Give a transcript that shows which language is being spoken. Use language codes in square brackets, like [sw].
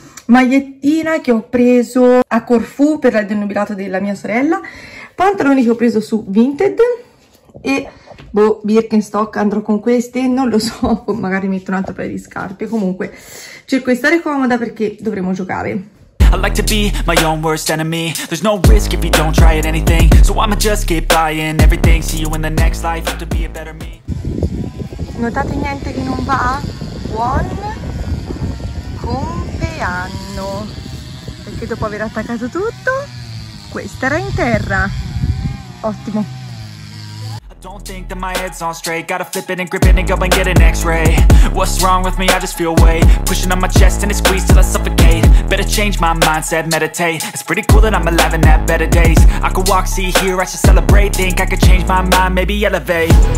[it] Magliettina che ho preso a Corfù per il denubilato della mia sorella, pantaloni che ho preso su Vinted e boh, Birkenstock, andrò con queste, non lo so, magari metto un altro paio di scarpe. Comunque cerco di stare comoda perché dovremo giocare. [en] I like to be my own worst enemy. There's no risk if you don't try at anything. So I'ma just keep buying everything. See you in the next life. Have to be a better me. [it] Notate niente che non va? Buon compleanno! Perché dopo aver attaccato tutto, questa era in terra. Ottimo. [en] Don't think that my head's on straight. Gotta flip it and grip it and go and get an x-ray. What's wrong with me? I just feel weight pushing on my chest and it squeezes till I suffocate. Better change my mindset, meditate. It's pretty cool that I'm alive and have better days. I could walk, see, hear, I should celebrate. Think I could change my mind, maybe elevate.